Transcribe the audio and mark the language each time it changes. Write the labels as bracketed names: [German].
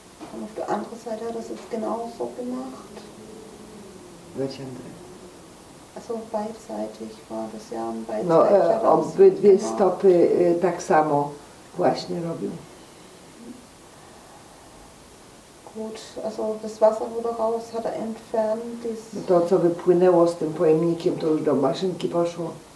[German] A auf der anderen Seite hat das jetzt genauso gemacht. Welche andere? Also beidseitig war das ja und beidseitig. [Polish] No, obydwie stopy tak samo właśnie robił. [German] Gut, also das Wasser wurde raus, hat entfernt. [Polish] No to, co wypłynęło z tym pojemnikiem, to już do maszynki poszło.